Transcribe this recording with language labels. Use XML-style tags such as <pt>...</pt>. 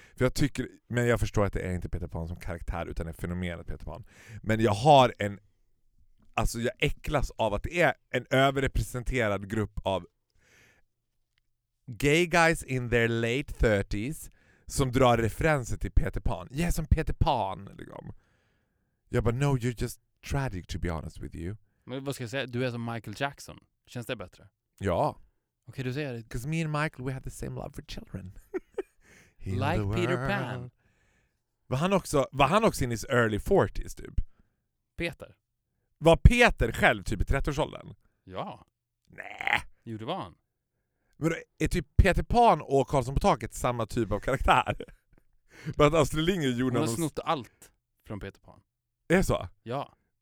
<sv>För jag tycker, men jag förstår att det är inte Peter Pan som karaktär utan är fenomenet Peter Pan. Men jag har en... Alltså jag äcklas av att det är en överrepresenterad grupp av</sv> <en>gay guys in their late 30s</en> <sv>som drar referenser till Peter Pan. Ja, som Peter Pan. Liksom. Jag bara,</sv> <en>no, you're just tragic to be honest with you.</en> <sv>Men vad ska jag säga? Du är som Michael Jackson. Känns det bättre? Ja. Okej, okay, du säger det.</sv> <en>Because me and Michael, we have the same love for children. Like Peter Pan.</en> <sv>Var han också</sv> <en>in his early 40s</en> <sv>typ? Peter. Var Peter själv typ i 30-årsåldern? Ja. Nej. Jo, det var han. Men då, är typ Peter Pan och Karlsson på taket samma typ av karaktär? Bara att Astrid Lindgren gjorde någon... Hon har snott allt från Peter Pan. Är det så? Ja.</sv>